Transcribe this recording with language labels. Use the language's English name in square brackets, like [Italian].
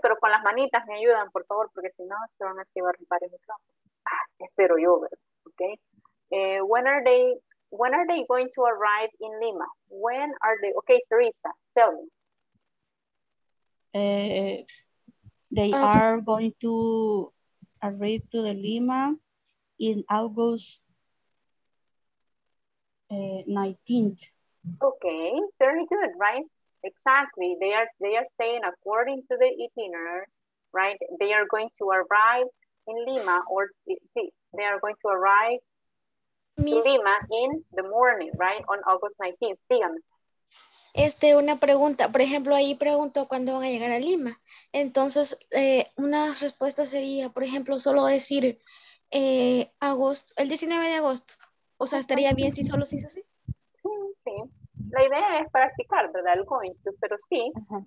[Spanish] Pero con las manitas me ayudan, por favor, porque si no se van a activar varios micrófonos. Espero yo, ¿verdad? Ok. [English] When are they going to arrive in Lima? When are they? Ok, Teresa, tell me. They are going to arrive to the Lima in August 19th. Okay, very good, right? Exactly. They are saying according to the itinerary, right? They are going to arrive in Lima in the morning, right? On August 19th. [Spanish] Dígame. Una pregunta. Por ejemplo, ahí pregunto cuándo van a llegar a Lima. Entonces, una respuesta sería, por ejemplo, solo decir agosto, el 19 de agosto. O sea, ¿estaría bien si solo se hizo así? Sí, sí. La idea es practicar, ¿verdad? El going to, pero sí. Ajá.